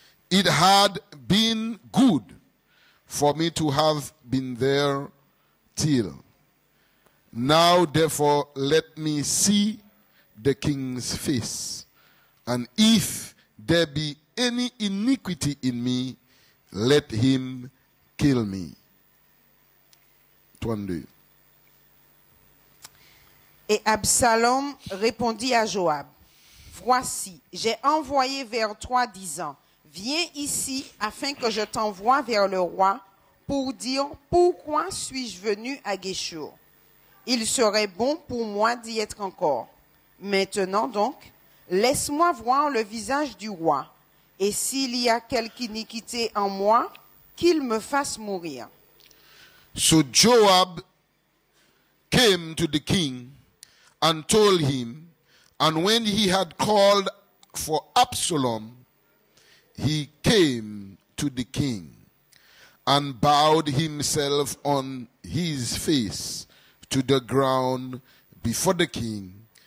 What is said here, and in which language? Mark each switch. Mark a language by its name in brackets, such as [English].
[English] It had been good for me to have been there till. Now, therefore, let me see the king's face, and if there be any iniquity in me, let him kill me. 22. [French] Et Absalom répondit à Joab, Voici, j'ai envoyé vers toi disant, Viens ici afin que je t'envoie vers le roi pour dire pourquoi suis-je venu à Geshur. Il serait bon pour moi d'y être encore. Maintenant donc, laisse-moi voir le visage du roi, et s'il y a quelque iniquité en moi, qu'il me fasse mourir. [English] So Joab came to the king and told him, and when he had called for Absalom, he came to the king and bowed himself on his face to the ground before the king.